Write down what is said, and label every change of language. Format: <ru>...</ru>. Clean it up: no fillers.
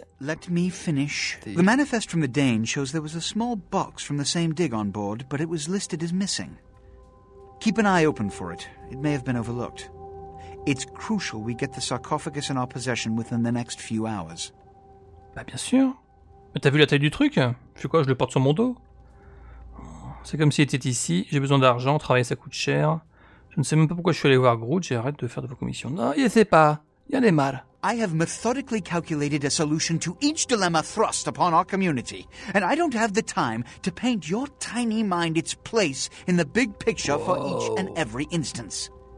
<en>Let me finish. The manifest from the Dane shows there was a small box from the same dig on board, but it was listed as missing. Keep an eye open for it. It may have been overlooked. It's crucial we get the sarcophagus in our possession within the next few hours.</en> <fr>Bah bien sûr. Mais t'as vu la taille du truc? Fais quoi, je le porte sur mon dos? C'est comme s'il était ici, j'ai besoin d'argent, travailler ça coûte cher. Je ne sais même pas pourquoi je suis allé voir Groot, j'arrête de faire de vos commissions. Non, il ne sait pas, il y en a marre.</fr> <en>I have methodically calculated a solution to each dilemma thrust upon our community. And I don't have the time to paint your tiny mind its place in the big picture for each and every instance.</en>